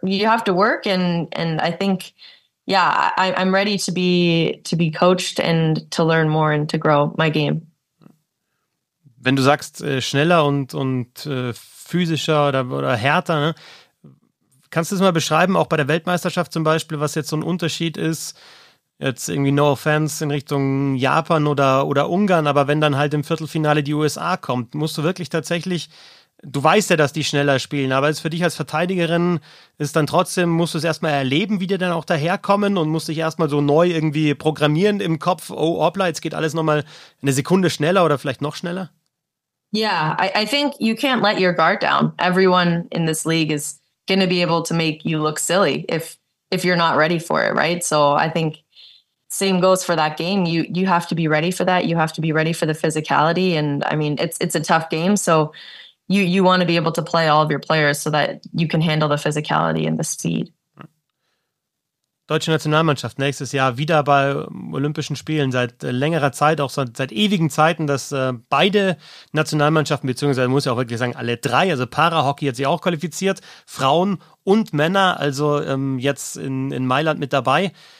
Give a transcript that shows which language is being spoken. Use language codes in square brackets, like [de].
[en] You have to work and I think I'm ready to be coached and to learn more and to grow my game. [de] Wenn du sagst schneller und physischer oder härter. Ne? Kannst du das mal beschreiben, auch bei der Weltmeisterschaft zum Beispiel, was jetzt so ein Unterschied ist? Jetzt irgendwie [en] no offense [de] in Richtung Japan oder Ungarn, aber wenn dann halt im Viertelfinale die USA kommt, musst du wirklich tatsächlich, du weißt ja, dass die schneller spielen, aber ist für dich als Verteidigerin ist dann trotzdem, musst du es erstmal erleben, wie die dann auch daherkommen und musst dich erstmal so neu irgendwie programmieren im Kopf, oh, hoppla, jetzt geht alles nochmal eine Sekunde schneller oder vielleicht noch schneller? [en] I think you can't let your guard down. Everyone in this league is going to be able to make you look silly if you're not ready for it, right? So I think same goes for that game. You have to be ready for that. You have to be ready for the physicality. And I mean, it's a tough game. So you want to be able to play all of your players so that you can handle the physicality and the speed. [de] Deutsche Nationalmannschaft nächstes Jahr wieder bei Olympischen Spielen, seit längerer Zeit, auch seit ewigen Zeiten, dass beide Nationalmannschaften, beziehungsweise muss ich auch wirklich sagen, alle drei, also Para-Hockey hat sich auch qualifiziert, Frauen und Männer, also jetzt in Mailand mit dabei.